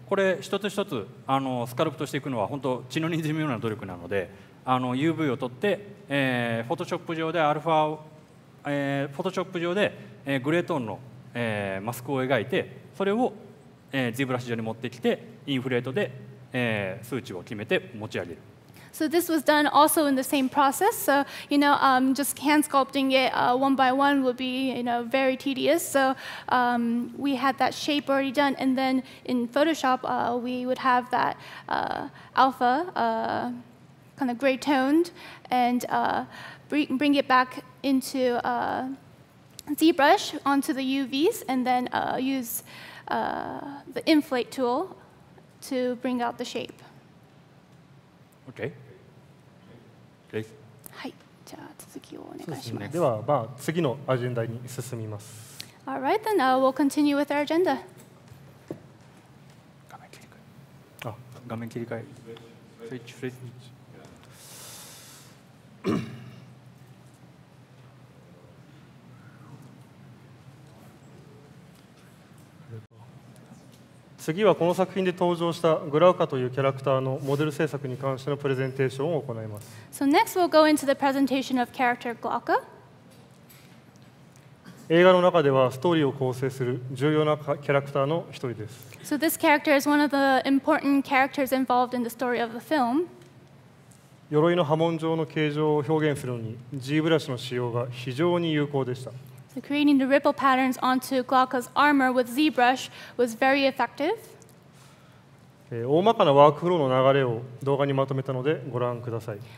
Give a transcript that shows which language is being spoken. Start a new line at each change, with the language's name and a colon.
Japanese: これ一つ一つスカルプトしていくのは本当血のにじむような努力なので、UV を取って、フォトショップ上でアルファを、フォトショップ上で、グレートーンの、マスクを描いて、それを、ZBrush 上に持ってきてインフレートで、数値を決めて持ち上げる。
English: So this was done also in the same process. So, you know, just hand sculpting it one by one would be, you know, very tedious. So we had that shape already done. And then in Photoshop, we would have that alpha kind of gray toned and bring it back into ZBrush onto the UVs and then use the inflate tool to bring out the shape. Okay.
Japanese: はい、じゃあ続きをお願いします。そうですね。では、まあ、次のアジェンダに進みます。
English: All right, then we'll continue with our agenda.
Japanese: 画面切り替え。画面切り替え。スイッチ、スイッチ。次はこの作品で登場したグラウカというキャラクターのモデル制作に関してのプレゼンテーションを行います。
English: So next we'll go into the presentation of character Glauca.
Japanese: 映画の中ではストーリーを構成する重要なキャラクターの一人です。
English: So this character is one of the important characters involved in the story of the film.
Japanese: 鎧の波紋状の形状を表現するのに ZBrush の使用が非常に有効でした。
English: So creating the ripple patterns onto Glauca's armor with ZBrush was very effective.
Japanese: 大まかなワークフローの流れを動画にまとめたのでご覧ください。